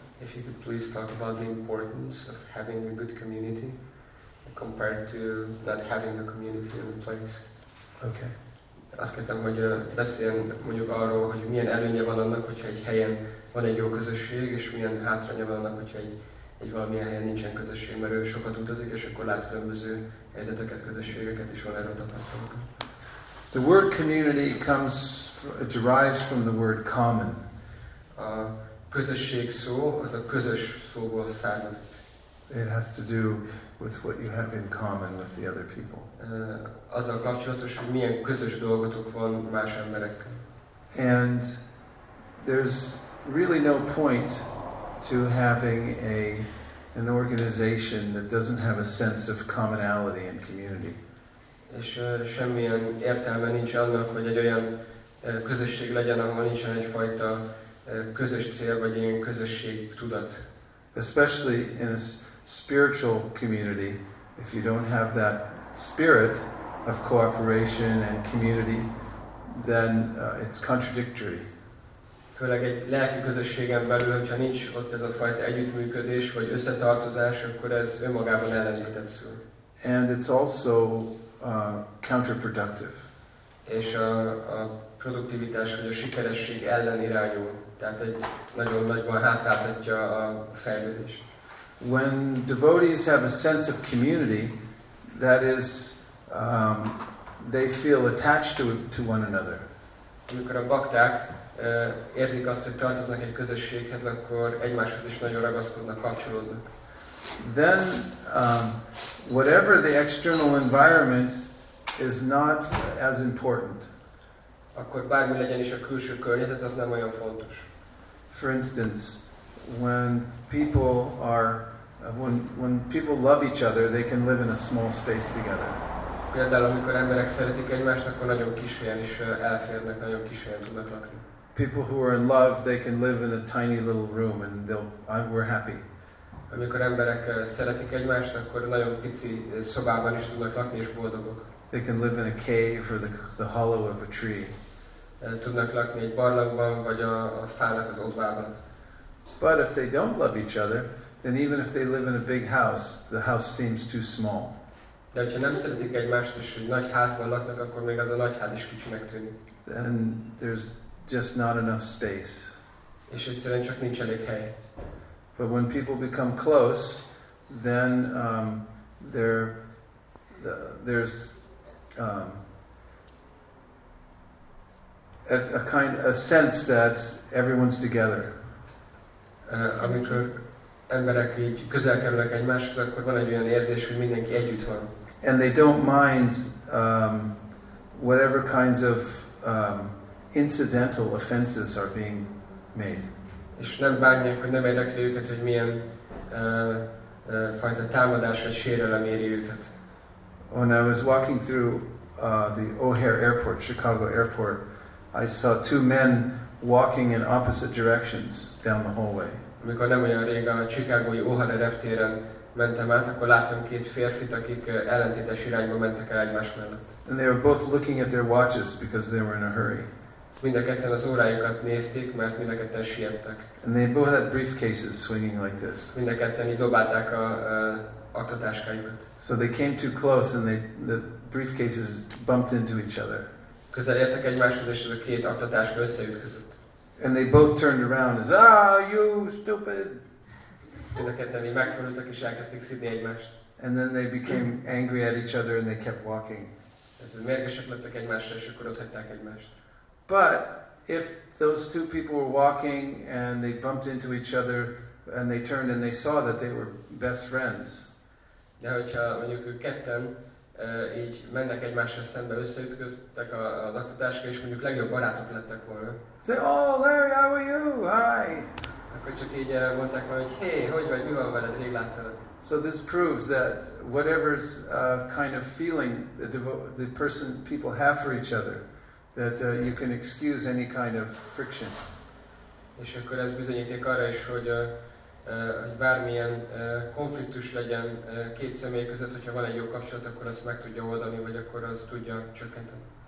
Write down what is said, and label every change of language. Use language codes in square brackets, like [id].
[en] If you could please talk about the importance of having a good community compared to not having a community in a place. Okay. [hu] Azt kértem, hogy beszéljen mondjuk arról, hogy milyen előnye van annak, hogyha egy helyen van egy jó közösség, és milyen hátránya van annak, hogyha egy valamilyen helyen nincsen közösség, mert ő sokat utazik, és akkor lát különböző helyzeteket, közösségeket, és van erről tapasztalata. [en] The word community comes, derives from the word common. [hu] Közösség szó, az a közös szóból származik. [en] It has to do with what you have in common with the other people. [hu] Az a kapcsolatos, hogy milyen közös dolgotok van más emberekkel. [en] And there's really no point to having an organization that doesn't have a sense of commonality and community. [hu] És semmilyen értelme nincs annak, hogy egy olyan közösség legyen, ahol nincsen egyfajta közös cél vagy ilyen közösség tudat. [en] Especially in a spiritual community, if you don't have that spirit of cooperation and community, then it's contradictory. [hu] Főleg egy lelki közösségen belül, hogyha nincs ott ez a fajta együttműködés vagy összetartozás, akkor ez önmagában ellentétet szül. [en] And it's also counterproductive. [hu] És a produktivitás vagy a sikeresség ellen irányul. Tehát egy nagyon nagyban hátráltatja a fejlődést. [en] When devotees have a sense of community, that is, they feel attached to one another. [hu] Amikor a bakták érzik azt, hogy tartoznak egy közösséghez, akkor egymáshoz is nagyon ragaszkodnak, kapcsolódnak. [en] Then, whatever the external environment is not as important. [hu] Akkor bármi legyen is a külső környezet, az nem olyan fontos. [en] For instance, when people are when people love each other, they can live in a small space together. [hu] Például, amikor emberek szeretik egymást, akkor nagyon kis helyen is elférnek, nagyon kis helyen tudnak lakni. [en] People who are in love, they can live in a tiny little room and we're happy. [hu] Amikor emberek szeretik egymást, akkor nagyon pici szobában is tudnak lakni és boldogok. [en] They can live in a cave or the hollow of a tree. [hu] Tudnak lakni egy barlangban vagy a fának az odvában. [en] But if they don't love each other, then even if they live in a big house, the house seems too small. [hu] De hogyha nem szeretik egymást és egy nagy házban laknak, akkor még az a nagy ház is kicsinek tűnik. [en] Then there's just not enough space. [hu] És egyszerűen csak nincs elég hely. [en] But when people become close, then there's a sense that everyone's together. [hu] Amikor emberek így közel kerülnek egymáshoz, akkor van egy olyan érzés, hogy mindenki együtt van. [en] And they don't mind whatever kinds of incidental offenses are being made. [hu] És nem bánják, hogy nem érdekli őket, hogy milyen fajta támadás vagy sérelem éri őket. [en] When I was walking through the O'Hare Airport, Chicago Airport, I saw two men walking in opposite directions down the hallway. [hu] Amikor nem olyan régen a Chicagói O'Hare reptéren mentem át, akkor láttam két férfit, akik ellentétes irányba mentek el egymás mellett. [en] And they were both looking at their watches because they were in a hurry. [hu] Mind a ketten az órájukat nézték, mert mind a ketten siettek. [en] And they both had briefcases swinging like this. [hu] Mind a ketten így dobálták a aktatáskájukat. [en] So they came too close and the briefcases bumped into each other. [hu] Közel értek egymáshoz, és a két aktatáska összeütközött. [en] And they both turned around and said, "Ah, you stupid!" [hu] Mind a ketten így megfordultak, és elkezdték szidni egymást. [en] And then they became angry at each other and they kept walking. [hu] Mérgesek lettek egymásra, és akkor ott hagyták egymást. [en] But if those two people were walking and they bumped into each other and they turned and they saw that they were best friends. [hu] De hogyha mondjuk ők ketten így mennek egymással szembe, összeütköztek a laktatáska, és mondjuk legjobb barátok lettek volna. [en] Say, "Oh, Larry, how are you? Hi." [hu] Akkor csak így mondták volna, hogy hey, hogy vagy, mi van veled, rég láttalak. [en] So this proves that whatever's kind of feeling people have for each other, that you can excuse any kind of friction. [hu] És akkor ez bizonyíték arra is, hogy bármilyen konfliktus legyen két személy között, hogyha van egy jó kapcsolat, akkor azt meg tudja oldani, vagy akkor az tudja csökkenteni.